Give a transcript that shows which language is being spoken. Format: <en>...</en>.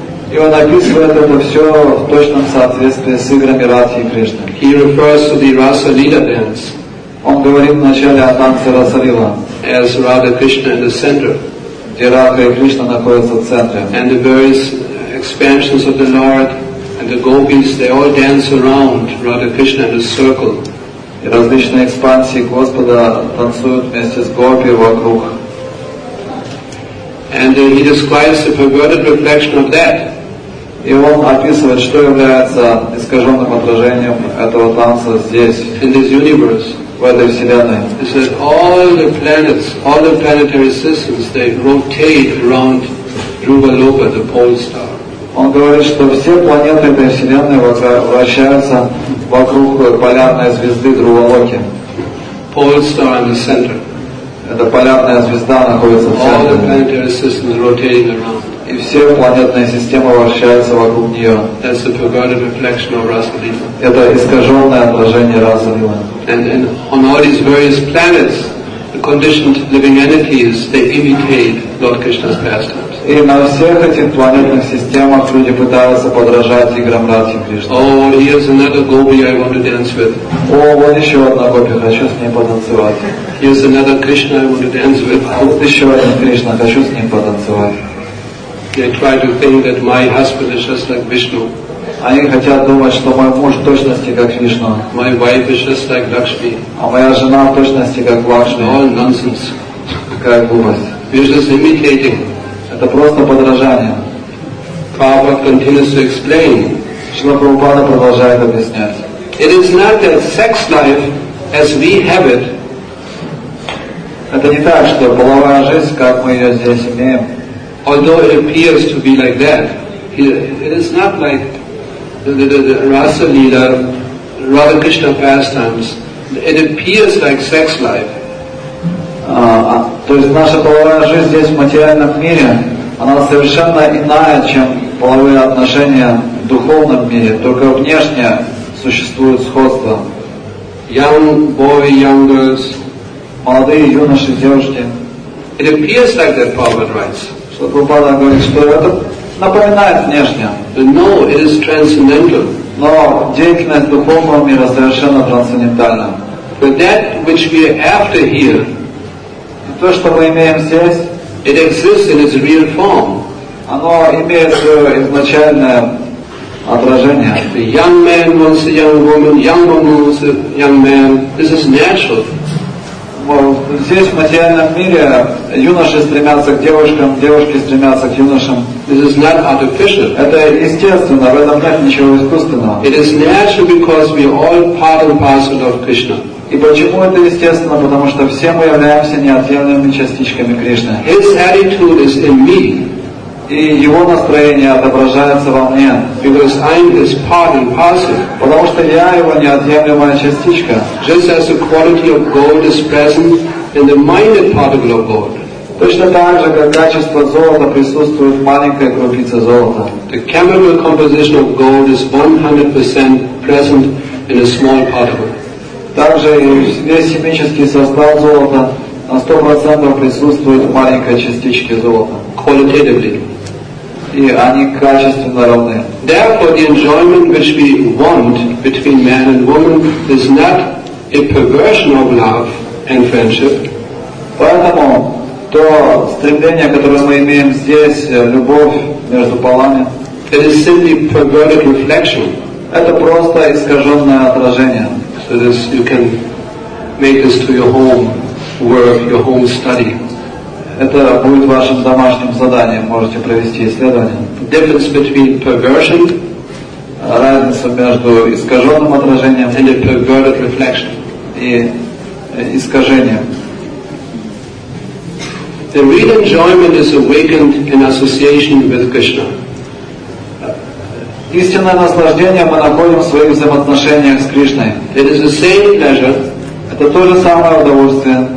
<ru>И он описывает это все в точном соответствии с играми Радхи и Кришны.</ru> <en>He refers to the Rasa Lila dance.</en> <ru>Он говорит вначале о танце Раса Лила.</ru> <en>As Radha Krishna in the center.</en> <ru>Где Радха и Кришна находятся в центре.</ru> <en>And the various expansions of the Lord and the gopis, they all dance around Radha Krishna in a circle.</en> <ru>И различные экспансии Господа танцуют вместе с гопи вокруг.</ru> <en>And he describes the perverted reflection of that.</en> <ru>И он описывает, что является искаженным отражением этого танца здесь.</ru> <en>In this universe.</en> <ru>В этой вселенной.</ru> <en>He says all the planets, all the planetary systems, they rotate around Dhruva Loka, the pole star.</en> <ru>Он говорит, что все планеты этой вселенной вращаются вокруг полярной звезды Друва Локи.</ru> <en>Pole star in the center.</en> <ru>Эта полярная звезда находится в центре.</ru> <en>All the planetary systems rotating around.</en> <ru>И все планетные системы вращаются вокруг нее.</ru> <en>That's the perverted reflection of Rasa Lila.</en> <ru>Это искаженное отражение Раса Лила.</ru> <en>And on all these various planets, the conditioned living entities, they imitate Lord Krishna's pastime.</en> <ru>И на всех этих планетных системах люди пытаются подражать играм Радхи Кришны.</ru> <en>Oh, here's another gopi I want to dance with.</en> <ru>О, вот еще одна гопи, хочу с ней потанцевать.</ru> <en>Here's another Krishna I want to dance with.</en> <ru>А вот еще один Кришна, хочу с ним потанцевать.</ru> <en>They try to think that my husband is just like Vishnu.</en> <ru>Они хотят думать, что мой муж в точности как Вишну.</ru> <en>My wife is just like Lakshmi.</en> <ru>А моя жена в точности как Лакшми.</ru> <en>All nonsense.</en> <ru>Какая глупость.</ru> <en>Vishnu is imitating.</en> <ru>Это просто подражание.</ru> <en>Prabhupada continues to explain.</en> <ru>Шрила Прабхупада продолжает объяснять.</ru> <en>It is not that sex life as we have it.</en> <ru>Это не так, что половая жизнь, как мы ее здесь имеем.</ru> <en>Although it appears to be like that. It is not like the Rasa Lila, Radha Krishna pastimes. It appears like sex life.</en> <ru>То есть наша половая жизнь здесь, в материальном мире, она совершенно иная, чем половые отношения в духовном мире. Только внешне существует сходство.</ru> <en>Young boy, young girls.</en> <ru>Молодые юноши, девушки.</ru> <en>It appears like that, Prabhupada writes.</en> <ru>Что Прабхупада говорит, что это напоминает внешне.</ru> <en>But no, it is transcendental.</en> <ru>Но деятельность духовного мира совершенно трансцендентальна.</ru> <en>But that which we are after here,</en> <ru>то, что мы имеем здесь,</ru> <en>it exists in its real form.</en> <ru>Оно имеет свое изначальное отражение.</ru> <en>A young man wants a young woman wants a young man. This is natural.</en> <ru>Well, здесь, в материальном мире, юноши стремятся к девушкам, девушки стремятся к юношам.</ru> <en>This is not artificial.</en> <ru>Это естественно, в этом нет ничего искусственного.</ru> <en>It is natural because we are all part and parcel of Krishna.</en> <ru>И почему это естественно? Потому что все мы являемся неотъемлемыми частичками Кришны.</ru> <en>His attitude is in me.</en> <ru>И его настроение отображается во мне.</ru> <en>Because I'm his part and parcel.</en> <ru>Потому что я его неотъемлемая частичка.</ru> <en>Just as the quality of gold is present in the minor particle of gold.</en> <ru>Точно так же, как качество золота присутствует в маленькой крупице золота.</ru> <en>The chemical composition of gold is 100% present in a small particle.</en> <ru>Также и весь химический состав золота на 100% присутствует в маленькой частичке золота.</ru> <en>Qualitatively.</en> <ru>И они качественно равны.</ru> <en>Therefore, the enjoyment which we want between man and woman is not a perversion of love and friendship.</en> <ru>Поэтому то стремление, которое мы имеем здесь, любовь между полами,</ru> <en>it is simply perverted reflection.</en> <ru>Это просто искаженное отражение.</ru> <en>So this, you can make this to your home work, your home study.</en> <ru>Это будет вашим домашним заданием, можете провести исследование.</ru> <en>Difference between perversion,</en> <ru>разница между искаженным отражением</ru> <en>and a perverted reflection.</en> <ru>И искажением.</ru> <en>The real enjoyment is awakened in association with Krishna.</en> <ru>Истинное наслаждение мы находим в своих взаимоотношениях с Кришной.</ru> <en>It is the same pleasure.</en> <ru>Это то же самое удовольствие,</ru>